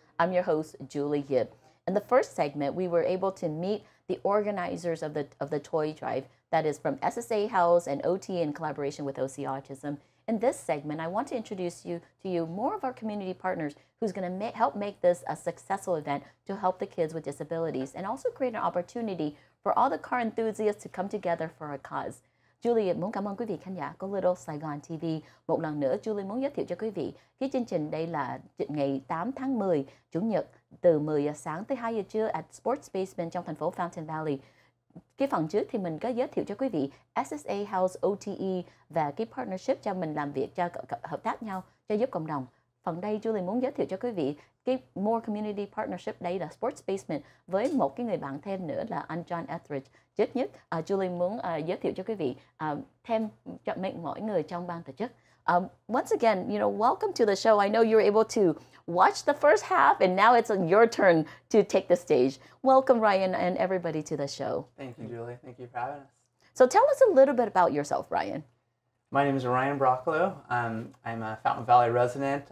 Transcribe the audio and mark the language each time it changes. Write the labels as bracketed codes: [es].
[en] I'm your host, Julie Yip. In the first segment, we were able to meet the organizers of the toy drive, that is from SSA Health and OT in collaboration with OC Autism. In this segment, I want to introduce you to you more of our community partners who's going to help make this a successful event to help the kids with disabilities and also create an opportunity for all the car enthusiasts to come together for a cause. [vi] Julie, muốn cảm ơn quý vị khán giả của Little Saigon TV. Một lần nữa, Julie muốn giới thiệu cho quý vị cái chương trình đây là ngày 8 tháng 10, Chủ nhật, từ 10 giờ sáng tới 2 giờ trưa at Sports Basement trong thành phố Fountain Valley. Cái phần trước thì mình có giới thiệu cho quý vị SSA House OTE và cái partnership cho mình làm việc, cho hợp tác nhau, cho giúp cộng đồng. Phần đây, Julie muốn giới thiệu cho quý vị cái [en] More Community Partnership [vi] đây là Sports Basement với một cái người bạn thêm nữa là anh John Etheridge. Trước nhất, Julie muốn giới thiệu cho quý vị thêm cho mọi người trong ban tổ chức. [en] Once again, you know, welcome to the show. I know you're able to watch the first half and now it's your turn to take the stage. Welcome, Ryan, and everybody to the show. Thank you, Julie. Thank you for having us. So tell us a little bit about yourself, Ryan. My name is Ryan Brocklow. I'm a Fountain Valley resident.